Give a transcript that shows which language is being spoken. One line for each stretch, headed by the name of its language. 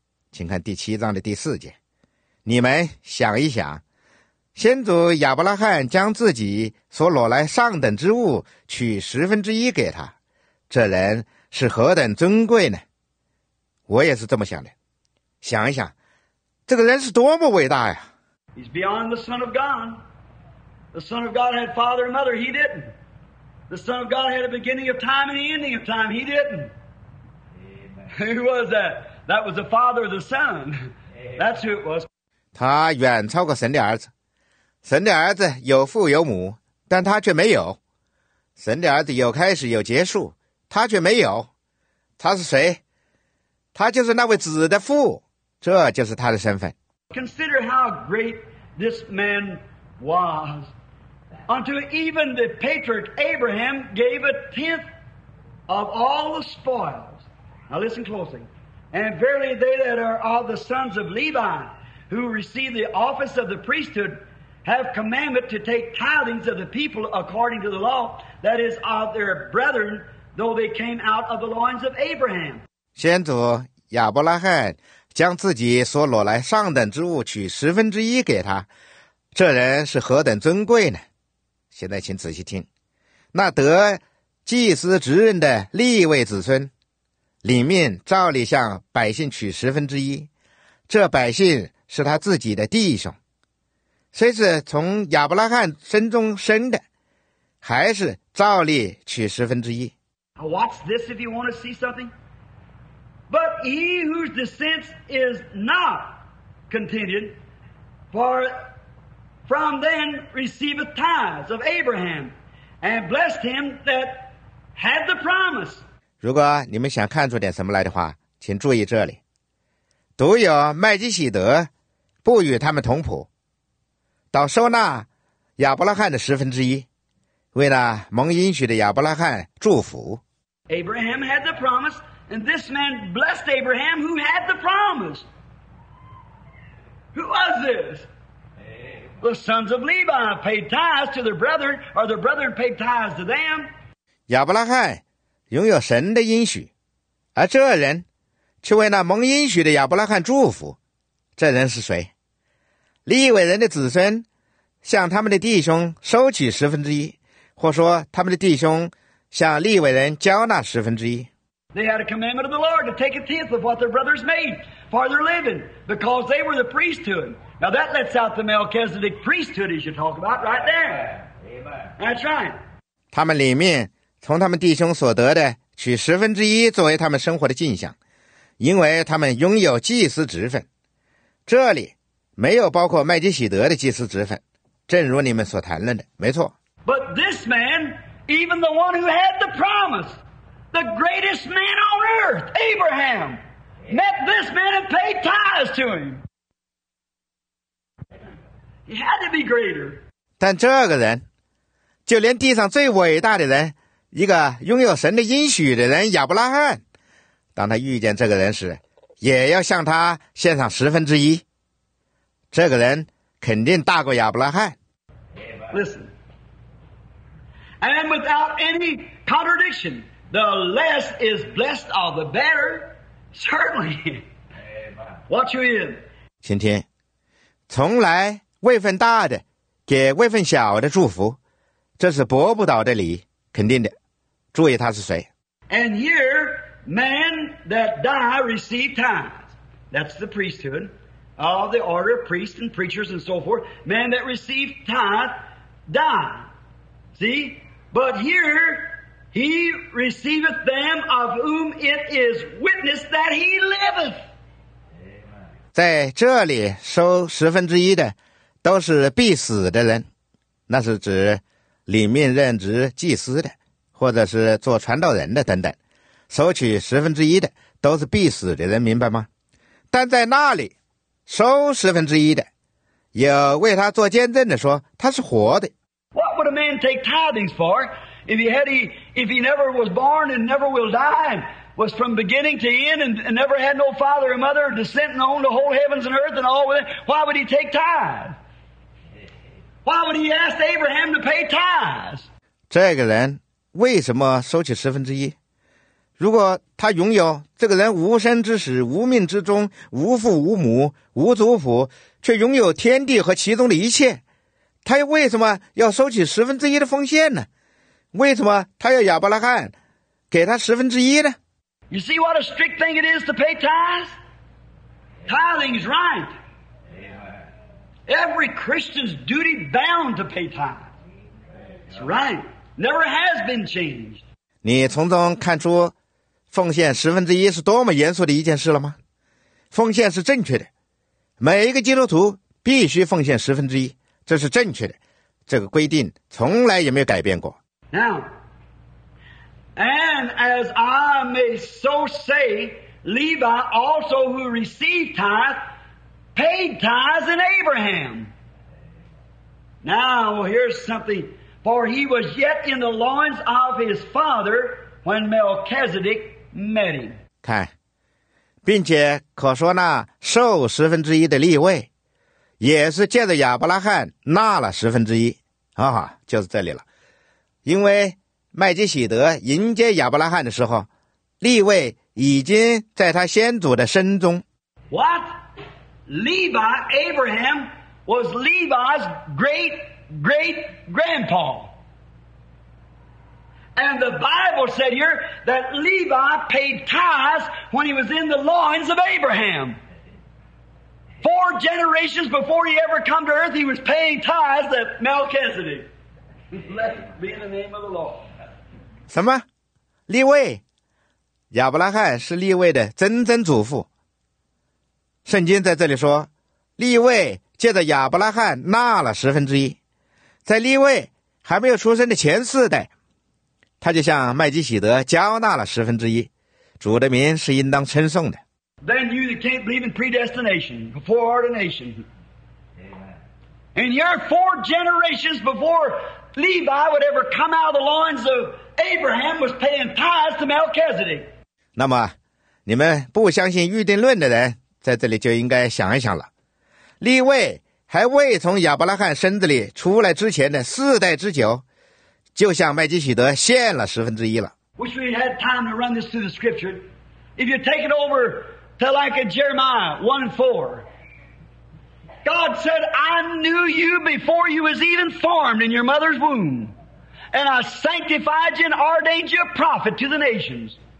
Chinese: 请看第七章的第四节，你们想一想，先祖亚伯拉罕将自己所掳来上等之物取十分之一给他，这人是何等尊贵呢？我也是这么想的，想一想，这个人是多么伟大呀。
English: He's beyond the Son of God. The Son of God had father and mother. He didn't. The Son of God had a beginning of time and the ending of time. He didn't. Amen. Who was that? That was the Father of the Son. That's who it was.
Chinese: 他远超过神的儿子，神的儿子有父有母，但他却没有。神的儿子有开始有结束，他却没有。他是谁？他就是那位子的父，这就是他的身份。
English: Consider how great this man was. Until even the patriarch Abraham gave a tenth of all the spoils. Now listen closely. And verily they that are of the sons of Levi, who receive the office of the priesthood, have commandment to take tithings of the people according to the law, that is of their brethren, though they came out of the loins of Abraham.
Chinese: 先祖亚伯拉罕将自己所掳来上等之物取十分之一给他，这人是何等尊贵呢？现在请仔细听，那得祭司职任的立位子孙，领命照例向百姓取十分之一，这百姓是他自己的弟兄，虽是从亚伯拉罕身中生的，还是照例取十分之一。
English: Watch this if you want to see something. But he whose descent is not contingent, for from then receiveth tithes of Abraham, and blessed him that had the promise.
Chinese: 如果你们想看出点什么来的话，请注意这里，独有麦基洗德不与他们同谱，倒收纳亚伯拉罕的十分之一，为那蒙应许的亚伯拉罕祝福。
English: Abraham had the promise, and this man blessed Abraham who had the promise. Who was this? The sons of Levi paid tithes to their brethren, or their brethren paid tithes to them.
Chinese: 亚伯拉罕拥有神的应许，而这人却为那蒙应许的亚伯拉罕祝福，这人是谁？利未人的子孙向他们的弟兄收取十分之一，或说他们的弟兄向利未人交纳十分之一。
English: They had a commandment of the Lord to take a tenth of what their brothers made for their living, because they were the priesthood. Now that lets out the Melchizedek priesthood as you talk about right there. Amen. That's right.
Chinese: 他们领命从他们弟兄所得的取十分之一作为他们生活的进项，因为他们拥有祭司职分。这里没有包括麦基洗德的祭司职分，正如你们所谈论的，没错。
English: But this man, even the one who had the promise, the greatest man on earth, Abraham, met this man and paid tithes to him. He had to be greater.
Chinese: 但这个人，就连地上最伟大的人，一个拥有神的应许的人亚伯拉罕，当他遇见这个人时，也要向他献上十分之一。这个人肯定大过亚伯拉罕。
English: Listen. And without any contradiction, the less is blessed of the better, certainly. Watch you in.
Chinese: 请听，从来位分大的给未婚小的祝福，这是驳不倒的理，肯定的。注意他是谁。
English: And here, man that die receive tithes. That's the priesthood of the order of priests and preachers and so forth. Man that receive tithe die. See? But here, he receiveth them of whom it is witness that he liveth.
Chinese: 在这里收十分之一的都是必死的人，那是指里面任职祭司的或者是做传道人的等等，收取十分之一的都是必死的人，明白吗？但在那里收十分之一的有为他做见证的说他是活的。
English: What would a man take tidings for if he, had he, if he never was born and never will die was from beginning to end and never had no father or mother or descent and owned the whole heavens and earth and all with it, why would he take tithes? Why would he ask Abraham to pay tithes?
Chinese: 这个人为什么收取十分之一？如果他拥有，这个人无生之始，无命之中，无父无母，无族谱，却拥有天地和其中的一切，他为什么要收取十分之一的奉献呢？为什么他要亚伯拉罕给他十分之一呢？
English: You see what a strict thing it is to pay tithes? Tithing is right. Every Christian's duty bound to pay tithes. It's right. Never has been changed.
Chinese: 你从中看出奉献十分之一是多么严肃的一件事了吗？奉献是正确的。每一个基督徒必须奉献十分之一，这是正确的。这个规定从来也没有改变过。
English: Now,And as I may so say, Levi also who received tithe paid tithes in Abraham. Now here's something. For he was yet in the loins of his father when Melchizedek met him.
Chinese: 看，并且可说那受十分之一的利位，也是借着亚伯拉罕纳了十分之一。就是这里了。因为麦基洗德迎接亚伯拉罕的时候，利未已经在他先祖的身中。
English: What? Levi, Abraham, was Levi's great-great-grandpa. And the Bible said here that Levi paid tithes when he was in the loins of Abraham. Four generations before he ever come to earth, he was paying tithes to Melchizedek. Let it be in the name of the Lord.
Chinese: 什么？利未？亚伯拉罕是利未的曾曾祖父。圣经在这里说，利未借着亚伯拉罕纳了十分之一，在利未还没有出生的前四代，他就向麦基洗德交纳了十分之一。主的名是应当称颂的。
English: Then you that can't believe in predestination, foreordination, and you're four generations before Levi would ever come out of the loins of. Abraham was paying tithes to Melchizedek.
Chinese: 那么你们不相信预定论的人在这里就应该想一想了。利未还未从亚伯拉罕身子里出来之前的四代之久，就向麦基洗德献了十分之一了。
English: Wish we had time to run this through the scripture. If you take it over to like a Jeremiah 1:4, God said, I knew you before you was even formed in your mother's womb. And I sanctified you and ordained you a prophet to the nations.